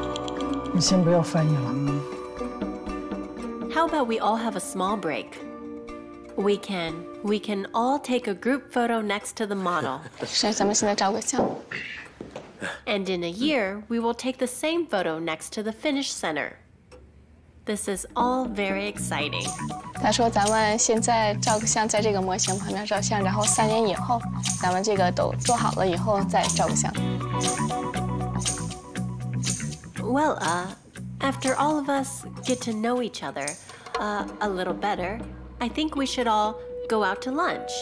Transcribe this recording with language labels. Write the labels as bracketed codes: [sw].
[zh] 他说如果需要的话，快点，就是上面再加点钱，再投资。要增加预算，是跟我们想的不一样吗？也许还有什么条件什么的。你先不要翻译了。 [en] How about we all have a small break? We can all take a group photo next to the model. [zh] 是，咱们现在照个相。 [en] And in a year, we will take the same photo next to the finish center. This is all very exciting. [zh] 他说咱们现在照个相，在这个模型旁边照相，然后三年以后，咱们这个都做好了以后再照个相。 [en] Well, after all of us get to know each other, a little better, I think we should all go out to lunch.